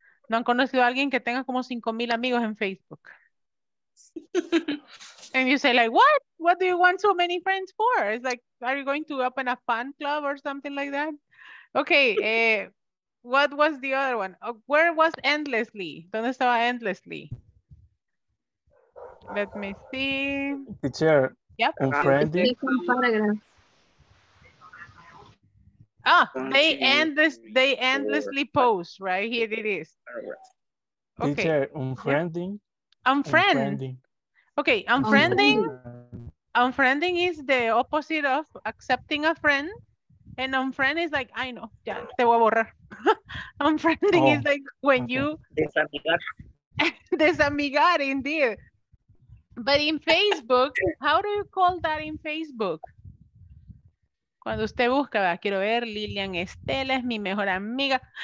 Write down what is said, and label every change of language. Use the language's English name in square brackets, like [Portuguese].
[Spanish] ¿No han conocido a alguien que tenga como 5,000 amigos en Facebook? [English] And you say like, what? What do you want so many friends for? It's like, are you going to open a fan club or something like that? Okay, what was the other one? Where was endlessly? [Spanish] ¿Dónde estaba endlessly? [English] Let me see. Teacher. Yep. And friendly. Ah, they endlessly post, right? Here it is. Okay. Teacher, unfriending. Unfriending. Okay, unfriending is the opposite of accepting a friend. And unfriend is like, I know, [Spanish] ya, te voy a borrar. [English] Unfriending is like when you... [Spanish] Desamigar. Desamigar, indeed. [English] But in Facebook, how do you call that in Facebook? [Spanish] Cuando usted busca, ¿verdad? Quiero ver, Lilian Estela es mi mejor amiga.